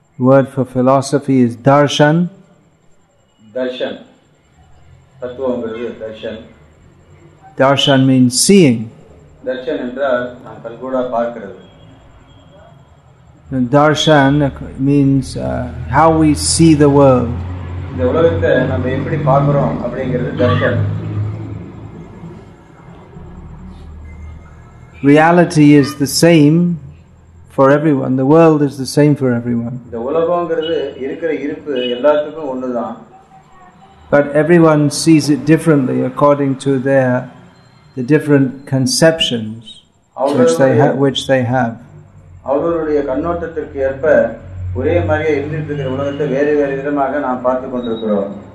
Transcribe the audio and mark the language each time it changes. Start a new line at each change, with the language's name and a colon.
English: Word for philosophy is darshan. Darshan.
Tamil: தத்துவங்களுக்கு darshan.
English: Darshan means seeing.
Tamil: Darshan என்றால் நாம் கண்கூடாக பார்க்கிறது.
English: Darshan means how we see the world. The world
Tamil: நாம எப்படி பார்க்கறோம் அப்படிங்கிறது darshan.
English: Reality is the same for everyone. The world is the same for everyone.
Tamil: The உலகம்ங்கிறது இருக்கிற இருப்பு எல்லாத்துக்கும் ஒண்ணுதான்.
English: But everyone sees it differently according to the different conceptions which they have.
Tamil: அவர்களுடைய கண்ணோட்டத்திற்கு ஏற்ப ஒரே மாதிரியே இருந்துட்டு இருக்கிற உலகத்தை வேறு வேறு விதமாக நாம் பார்த்து கொண்டிருக்கிறோம்.